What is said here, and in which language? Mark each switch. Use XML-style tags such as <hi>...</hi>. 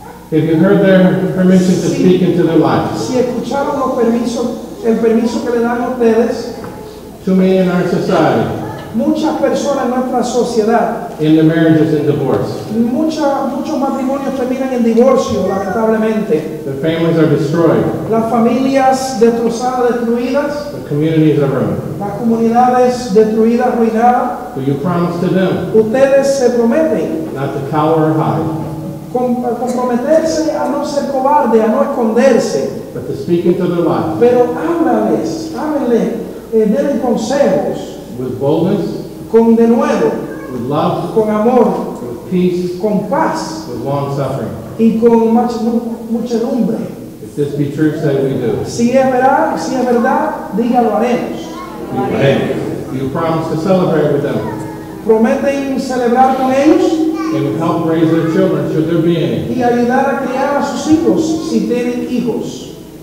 <en>If you heard their permission to speak into their lives.</en> <es>Si escucharon los permisos, el permiso que le dan ustedes.</es> <en>Too many in our society.</en> <es>Muchas personas en nuestra sociedad.</es> <en>In the marriages in divorce.</en> <es>Muchos matrimonios terminan en divorcio, lamentablemente.</es> <en>The families are destroyed.</en> <es>Las familias destrozadas, destruidas.</es> <en>The communities are ruined.</en> <es>Las comunidades destruidas, arruinadas.</es> <en>Do you promise to them?</en> <es>Ustedes se prometen.</es> <en>Not to cower or hide.</en> <es>Comprometerse a no ser cobarde, a no esconderse.</es> <en>But to speak into their life.</en> <es>Pero háblales, háblenle, denle consejos.</es> <en>With boldness.</en> <es>Con de nuevo.</es> <en>With love.</en> <es>Con amor.</es> <en>With peace.</en> <es>Con paz.</es> <en>With long suffering.</en> <es>Y con muchedumbre.</es> <en>If this be true, say we do.</en> <es>Si es verdad, dígalo haremos.</es> <en>You promise to celebrate with them.</en> <es>Prometen celebrar con ellos.</es> <en>They would help raise their children, should there be any.</en> <es>Y ayudar a criar a sus hijos, si tienen hijos.</es>